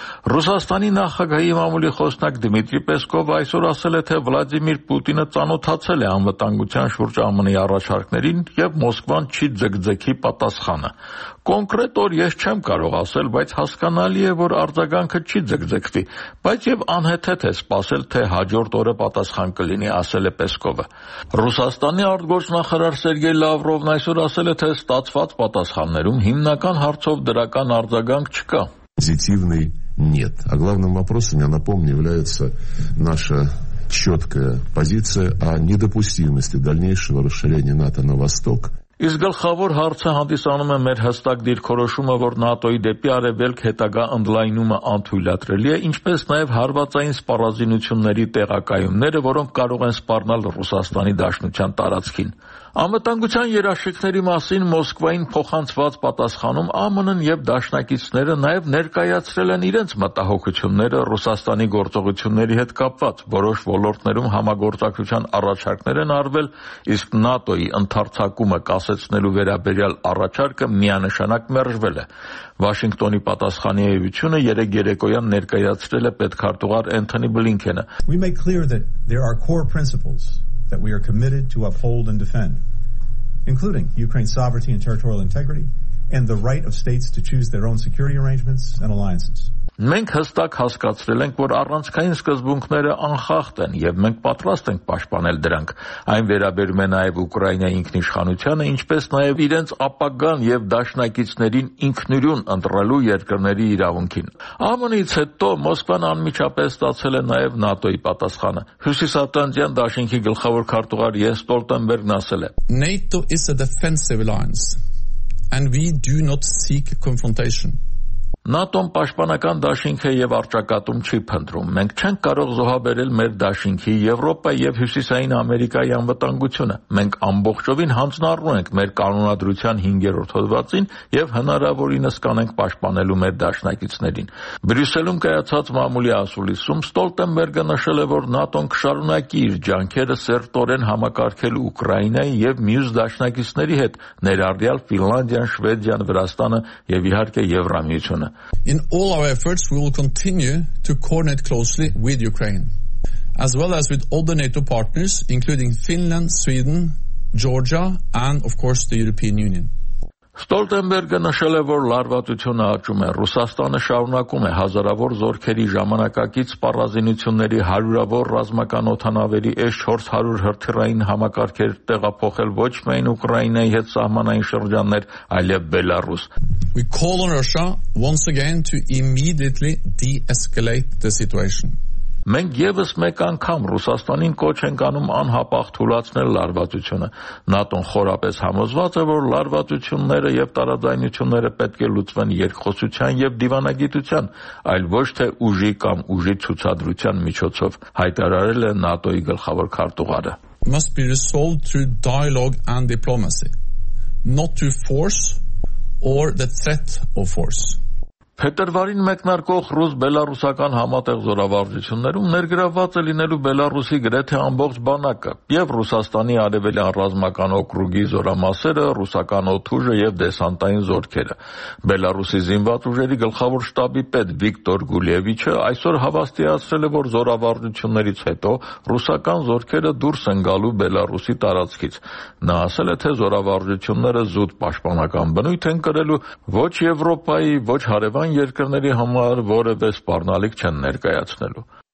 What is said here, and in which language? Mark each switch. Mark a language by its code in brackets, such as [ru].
[hy] Ռուսաստանի նախագահի մամուլի խոսնակ Դմիտրի Պեսկով այսօր ասել է, թե Վլադիմիր Պուտինը ծանոթացել է անվտանգության շուրջ ԱՄՆ-ի առաջարկներին և Մոսկվան չի ձգձգի պատասխանը։ Կոնկրետ օր ես չեմ կարող ասել, բայց հասկանալի է, որ արձագանքը չի ձգձգվի, բայց և անհեթեթ է սպասել, թե հաջորդ օրը պատասխան կլինի, ասել է Պեսկովը։ Ռուսաստանի արտգործնախարար Սերգեյ Լավրովն այսօր ասել է, թե ստացված պատասխաններում հիմնական հարցով դրական արձագանք չկա։ [ru] Позитивный нет. А главным вопросом, я напомню, является наша четкая позиция о недопустимости дальнейшего расширения НАТО на восток. [hy] Իսկ գլխավոր հարցը հանդիսանում է մեր հստակ դիրքորոշումը, որ ՆԱՏՕ-ի դեպի արևելք հետագա ընդլայնումը անթույլատրելի է, ինչպես նաև հարվածային սպառազինությունների տեղակայումները, որոնք կարող են սպառնալ Ռուսաստանի դաշնության տարածքին։ Ամտանգության երաշխիքների մասին Մոսկվային փոխանցված պատասխանում ԱՄՆ-ն եւ դաշնակիցները նաեւ ներկայացրել են իրենց մտահոգությունները Ռուսաստանի գործողությունների հետ կապված, որոշ ոլորտներում համագործակցության առաջարկներ են արվել, իսկ ՆԱՏՕ-ի ընդարձակումը կասեցնելու վերաբերյալ առաջարկը միանշանակ մերժվել է։ Վաշինգտոնի պատասխանի էությունը 3-3-օյան ներկայացրել է պետքարտուղար Էնթոնի Բլինքենը։ [en] We make clear that there are core principles that we are committed to uphold and defend, including Ukraine's sovereignty and territorial integrity, and the right of states to choose their own security arrangements and alliances. [hy] Մենք հստակ հասկացրել ենք, որ առանցքային սկզբունքները անխախտ են, և մենք պատրաստ ենք պաշտպանել դրանք։ Այն վերաբերում է նաև Ուկրաինայի ինքնիշխանությանը, ինչպես նաև իրենց ապագան և դաշնակիցներին ինքնուրույն ընտրելու երկրների իրավունքին։ ԱՄՆ-ից հետո Մոսկվան անմիջապես ստացել է նաև ՆԱՏՕ-ի պատասխանը։ Հյուսիսատլանտյան դաշինքի գլխավոր քարտուղար Յենս Ստոլտենբերգն ասել է. [en] NATO is a defensive alliance and we do not seek confrontation. [hy] ՆԱՏՕ-ն պաշտպանական դաշինքը եւ արճակատում չի փնտրում։ Մենք չենք կարող զոհաբերել մեր դաշինքի Եվրոպայի եւ Հյուսիսային Ամերիկայի անվտանգությունը։ Մենք ամբողջովին հանձնարարում ենք մեր կանոնադրության 5-րդ հոդվածին եւ հնարավորինս կանենք պաշտպանելու մեր դաշնակիցներին։ Բրյուսելում կայացած մամուլի ասուլիսում Ստոլտենբերգը նշել է, որ ՆԱՏՕ-ն կշարունակի իր ջանքերը սերտորեն համակարգելու Ուկրաինայի եւ մյուս դաշնակիցների հետ՝ ներառյալ Ֆինլանդիան, Շվեդիան, Վրաստանը եւ իհարկե Եվրամիությունը։ [en] In all our efforts, we will continue to coordinate closely with Ukraine, as well as with all the NATO partners, including Finland, Sweden, Georgia, and of course the European Union. [hy] Ստոլտենբերգը նշել է, որ լարվածությունը աճում է, Ռուսաստանը շարունակում է հազարավոր զորքերի ժամանակակից սպառազինությունների հարյուրավոր ռազմական օթանավերի S-400 հրթիռային համակարգեր տեղափոխել ոչ միայն Ուկրաինայի հետ սահմանային շրջաններ, այլև Բելարուս։ [en] We call on Russia once again to immediately de-escalate the situation. [hy] Մենք եւս մեկ անգամ Ռուսաստանին կոչ ենք անում անհապաղ թուլացնել լարվածությունը։ ՆԱՏՕ-ն խորապես համոզված է, որ լարվածությունները եւ տարաձայնությունները պետք է լուծվեն երկխոսության եւ դիվանագիտության, այլ ոչ թե ուժի կամ ուժի ցուցադրության միջոցով, հայտարարել է ՆԱՏՕ-ի գլխավոր քարտուղարը։ [en] Must be resolved through dialogue and diplomacy, not through force or the threat of force. [hy] Փետրվարին մեկնարկող ռուս-բելարուսական համատեղ զորավարժություններում ներգրավված է լինելու Բելարուսի գրեթե ամբողջ բանակը եւ Ռուսաստանի արևելյան ռազմական օկրուգի զորամասերը, ռուսական օթուժը եւ դեսանտային զորքերը։ Բելարուսի զինված ուժերի գլխավոր շտաբի պետ Վիկտոր Գուլիևիչը այսօր հավաստիացրել է, որ զորավարժություններից հետո ռուսական զորքերը դուրս են գալու Բելարուսի տարածքից։ Նա ասել է, թե զորավարժությունները զուտ պաշտպանական բնույթ են կրելու ոչ Եվրոպայի, ոչ հարևան ան երկրների համար որևէ սպառնալիք չեն ներկայացնելու։